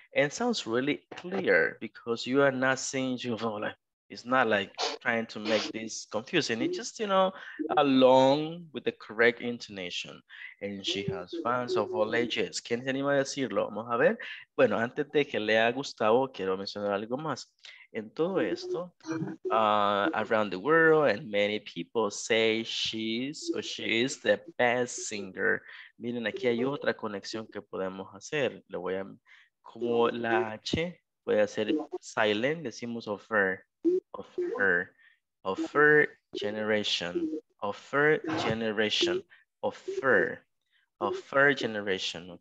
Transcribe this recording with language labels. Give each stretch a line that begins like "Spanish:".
English: And sounds really clear because you are not saying you're like, it's not like trying to make this confusing. It's just, you know, along with the correct intonation. And she has fans of all ages.
Spanish: ¿Quién se anima a decirlo? Vamos a ver. Bueno, antes de que lea Gustavo, quiero mencionar algo más. En todo esto,
English: around the world, and many people say she's or she is the best singer.
Spanish: Miren, aquí hay otra conexión que podemos hacer. Le voy a, como la H puede ser silent, decimos
English: of her generation.